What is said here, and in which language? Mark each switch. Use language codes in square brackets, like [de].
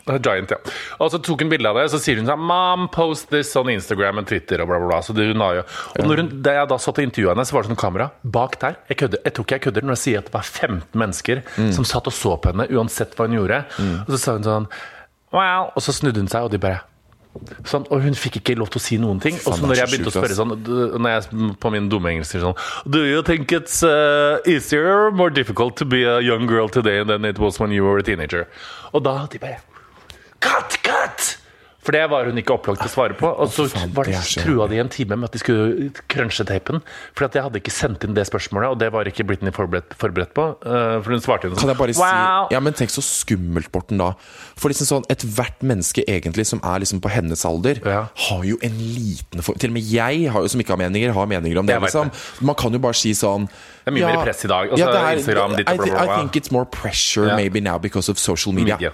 [no] Av det. Giant, ja. Og så tok hun bildet av det, så sier hun sånn, [en] mom, post this on Instagram and Twitter [no] og bla bla bla, så det hun har jo. Og når hun, da jeg da satt og intervjuet henne, så var det sånn kamera bak der, jeg kødder, jeg tok jeg kødder når jeg sier at det var 15 mennesker som satt og så på henne, uansett hva hun gjorde. Og så sa hun sånn, well, og så snudde hun seg, og de bare, sånn, og hun fikk ikke lov til å si noen ting. Og så når jeg begynte å spørre sånn, når jeg på min dumme engelsk sånn, [en] do you think it's easier or more difficult to be a young girl today than it was when you were a teenager? [no] Og da de bare, cut, cut! For det var hun ikke opplagt til å svare på. Og så var det trua de i en time med at de skulle crunche tapen, for at jeg hadde ikke sendt inn det spørsmålet, og det var ikke Britney forberedt på. For hun svarte henne sånn, kan jeg bare si, ja, men tenk så skummelt, Morten, da. For liksom sånn, et hvert menneske egentlig som er liksom på hennes alder, har jo en liten form. Til og med jeg, har jo, som ikke har meninger, har meninger om det, liksom. Man kan jo bare si sånn, det er mye mer press i dag, og så ja, er Instagram ditt og blablabla. [en] I think it's more pressure maybe now because of social media.